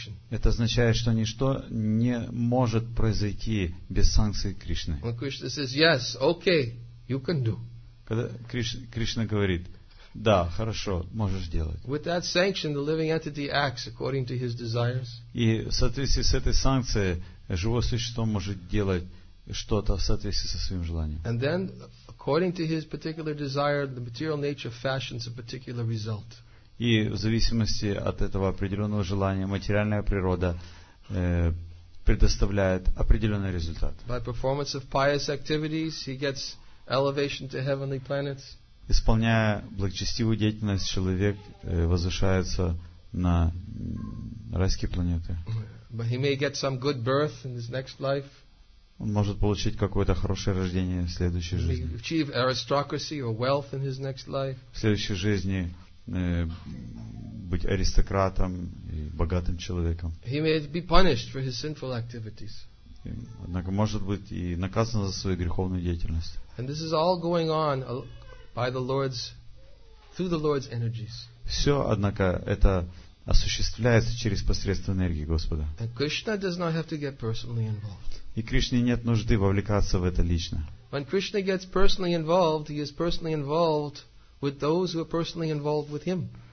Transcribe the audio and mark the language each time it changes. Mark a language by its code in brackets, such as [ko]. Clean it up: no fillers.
[ru] Это означает, что ничто не может произойти без санкции Кришны. Когда Кришна говорит: да, хорошо, можешь сделать. [en] With that sanction, the living entity acts according to his desires. [ru] И в соответствии с этой санкцией живое существо может делать что-то в соответствии со своим желанием. [en] And then, according to his particular desire, the material nature fashions a particular result. [ru] И в зависимости от этого определенного желания, материальная природа предоставляет определенный результат. [en] By performance of pious activities, he gets elevation to heavenly planets. [ru] Исполняя благочестивую деятельность, человек возвышается на райские планеты. [en] But he may get some good birth in his next life. [ru] Он может получить какое-то хорошее рождение в следующей жизни. В следующей жизни быть аристократом и богатым человеком. [en] He may be punished for his sinful activities. [ru] Однако может быть и наказан за свою греховную деятельность. [en] And this is all going on by the Lord's, through the Lord's energies. [ru] Все, однако, это осуществляется через посредство энергии Господа. [en] And Krishna does not have to get personally involved. [ru] И Кришне нет нужды вовлекаться в это лично. [en] When Krishna gets personally involved, he is personally involved with those who are personally involved with him.